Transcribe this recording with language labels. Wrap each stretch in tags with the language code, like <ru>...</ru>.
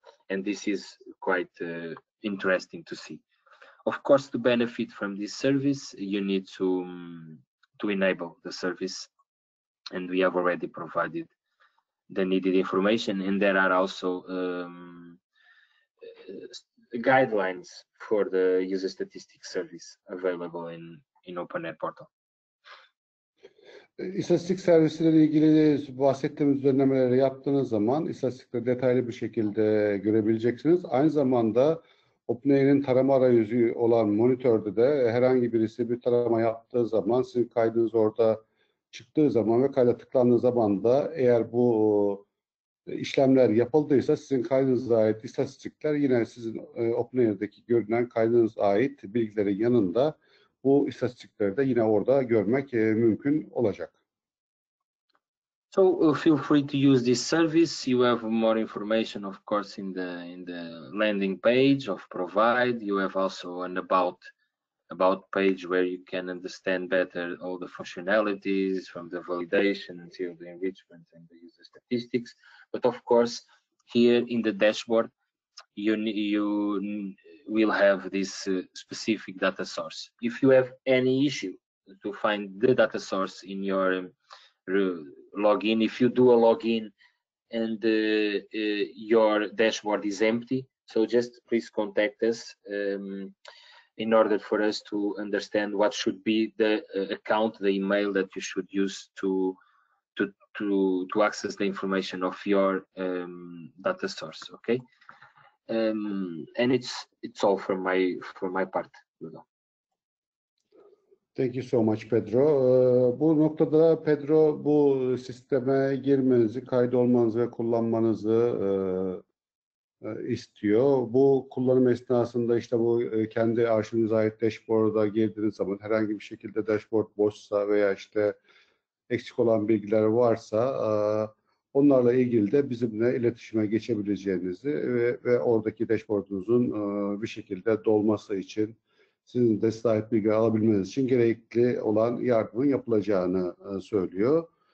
<en>And this is quite interesting to see. Of course, to benefit from this service, you need to enable the service, and we have already provided the needed information. And there are also guidelines for the user statistics service available in OpenAI portal.</en> <tr>İstatistik servisiyle ilgili bahsettiğimiz düzenlemeleri yaptığınız zaman istatistikleri detaylı bir şekilde görebileceksiniz. Aynı zamanda OpenAI'nin tarama arayüzü olan monitörde de herhangi birisi bir tarama yaptığı zaman sizin kaydınız orada çıktığı zaman ve kayda tıklandığı zaman da eğer bu işlemler yapıldıysa sizin kaydınıza ait istatistikler yine sizin OpenAI'deki görünen kaydınıza ait bilgilerin yanında bu istatistikleri de yine orada görmek mümkün olacak.</tr> <en>So feel free to use this service. You have more information, of course, in the landing page of Provide. You have also an about page where you can understand better all the functionalities from the validation until the enrichment and the user statistics. But of course, here in the dashboard, you will have this specific data source. If you have any issue to find the data source in your login, if you do a login and your dashboard is empty, so just please contact us in order for us to understand what should be the account, the email that you should use to access the information of your data source. Okay, and it's all from my part, Ludo. Thank you so much, Pedro.</en> <tr>Bu noktada Pedro, bu sisteme girmenizi, kaydolmanızı ve kullanmanızı istiyor. Bu kullanım esnasında işte bu kendi arşivinize ait dashboard'a girdiğiniz zaman herhangi bir şekilde dashboard boşsa veya işte eksik olan bilgiler varsa onlarla ilgili de bizimle iletişime geçebileceğinizi ve oradaki dashboard'unuzun bir şekilde dolması için sizin de sahip bilgi alabilmeniz için gerekli olan yardımın yapılacağını söylüyor.</tr>